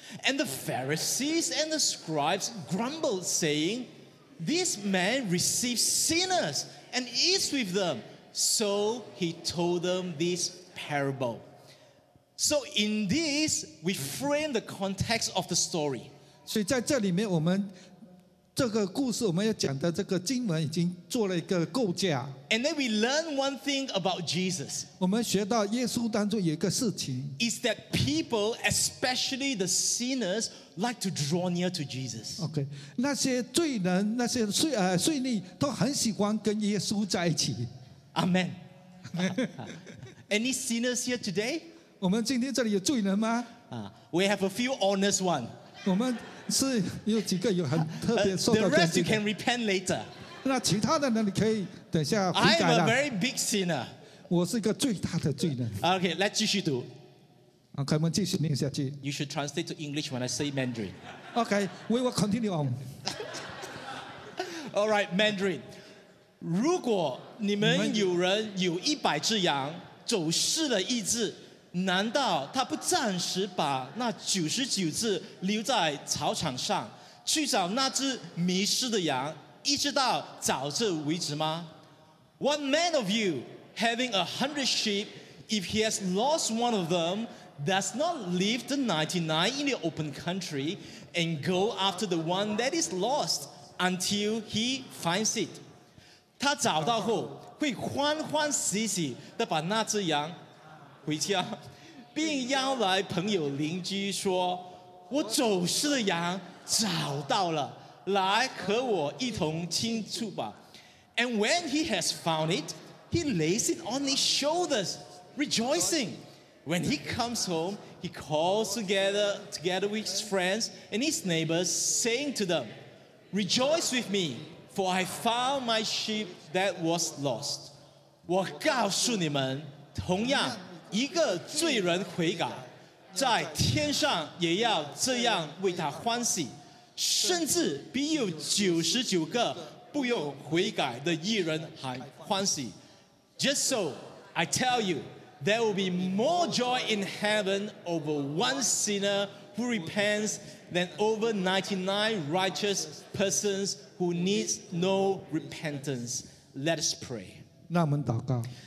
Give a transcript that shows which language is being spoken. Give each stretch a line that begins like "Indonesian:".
English: And the Pharisees and the scribes grumbled, saying, This man receives sinners and eats with them. So he told them this parable. So in this, we frame the context of the story.
Chinese: 所以在这里面我们这个故事我们要讲的这个经文已经做了一个构架。
English: And then we learn one thing about Jesus.
Chinese: 我们学到耶稣当中有一个事情。
English: Is that people, especially the sinners, like to draw near to Jesus. Okay.
Chinese: 那些罪人，那些税吏都很喜欢跟耶稣在一起。
English: Amen. Any sinners here today?
Chinese: 我们今天这里有罪人吗？
English: We have a few honest ones.
Chinese: 我们是有几个有很特别受
English: 到 The rest you can repent later.
Chinese: 那其他的呢？你可以等下悔改了。
English: I am a very big sinner.
Chinese: 我是一个最大的罪人。
English: Okay, let's
Chinese: 继续读。 Okay, 我们继续念下去。
English: You should translate to English when I say Mandarin. Okay, we will continue on. All right, Mandarin.
Chinese: 如果你们有人有一百只羊，走失了一只。难道他不暂时把那九十九只留在草场上，去找那只迷失的羊，一直到找这为止吗？
English: What man of you, having 100 sheep, if he has lost one of them, does not leave the 99 in the open country and go after the one that is lost until he finds it?
Chinese: 他找到后，会欢欢喜喜地把那只羊回家，并邀来朋友邻居说，我走失的羊找到了，来和我一同庆祝吧。
English: And when he has found it, he lays it on his shoulders, rejoicing. When he comes home, he calls together with his friends and his neighbors, saying to them, Rejoice with me, for I found my sheep that was lost.
Chinese: 我告诉你们，同样一个罪人悔改，在天上也要这样为他欢喜，甚至比有九十九个不用悔改的义人还欢喜。
English: Just so, I tell you, there will be more joy in heaven over one sinner who repents than over 99 righteous persons who need no repentance. Let us pray.
Chinese: 那我们祷告。